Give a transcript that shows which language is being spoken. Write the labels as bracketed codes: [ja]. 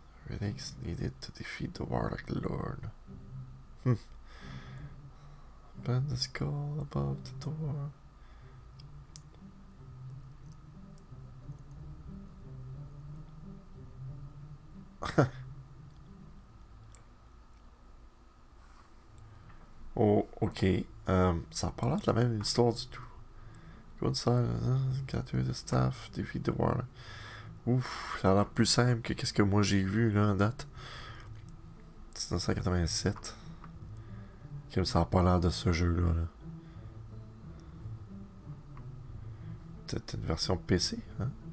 [en] Relics needed to defeat the Warlock Lord. Bend the skull above the door. Oh, ok. [fr] Ça a pas l'air de la même histoire du tout. Comment ça, [en] gather the staff, defeat the warlock. [fr] Ouf, ça a l'air plus simple que qu'est-ce que moi j'ai vu là en date. 1987. Comme ça a pas l'air de ce jeu-là. Là. Peut-être une version PC, hein?